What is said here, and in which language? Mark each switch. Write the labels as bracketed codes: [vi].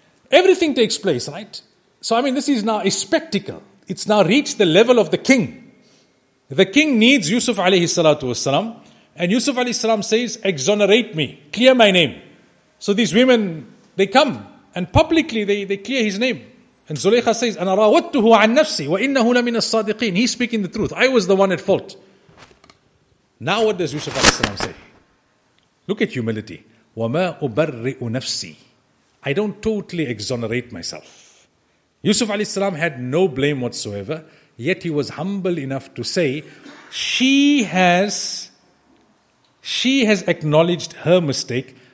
[en] Everything takes place, right? So, I mean, this is now a spectacle. It's now reached the level of the king. The king needs Yusuf alayhi salatu wasalam, and Yusuf alayhi salam says, exonerate me, clear my name. So these women, they come, and publicly they clear his name. And Zulaykha says, [ar] أَنَا رَاوَدْتُهُ عَنْ نَفْسِي وَإِنَّهُ لَمِنَ الصَّادِقِينَ. [en] He's speaking the truth. I was the one at fault. Now what does Yusuf alayhi salam say? Look at humility. [ar] وَمَا أُبَرِّئُ نَفْسِي. [en] I don't totally exonerate myself. Yusuf alayhi salam had no blame whatsoever, yet he was humble enough to say, she has acknowledged her mistake.